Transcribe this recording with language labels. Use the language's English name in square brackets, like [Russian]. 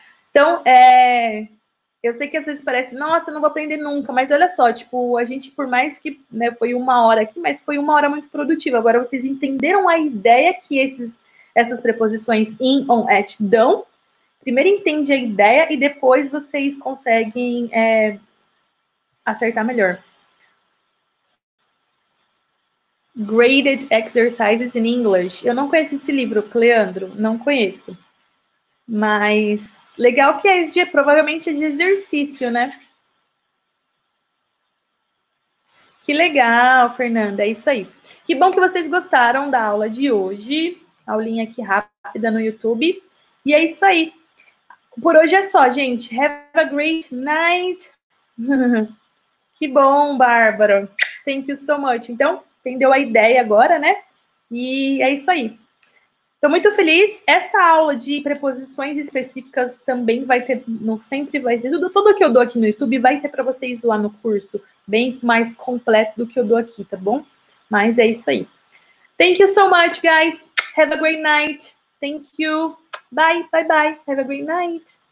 [Portuguese] Então, eu sei que às vezes parece, nossa, eu não vou aprender nunca, mas olha só, tipo, a gente, por mais que, né, foi uma hora aqui, mas foi uma hora muito produtiva. Agora vocês entenderam a ideia que essas preposições in, on, at dão. Primeiro entende a ideia e depois vocês conseguem acertar melhor. Graded Exercises in English. Eu não conheço esse livro, Cleandro, não conheço. Mas... legal que é esse dia, provavelmente é de exercício, né? Que legal, Fernanda, é isso aí. Que bom que vocês gostaram da aula de hoje. Aulinha aqui rápida no YouTube. E é isso aí. Por hoje é só, gente. [English] Have a great night. [Portuguese] Que bom, Bárbara. [English] Thank you so much. [Portuguese] Então, entendeu a ideia agora, né? E é isso aí. Estou muito feliz. Essa aula de preposições específicas também vai ter, sempre vai ter, tudo que eu dou aqui no YouTube vai ter para vocês lá no curso, bem mais completo do que eu dou aqui, tá bom? Mas é isso aí. [English] Thank you so much, guys. Have a great night. Thank you. Bye, bye, bye. Have a great night.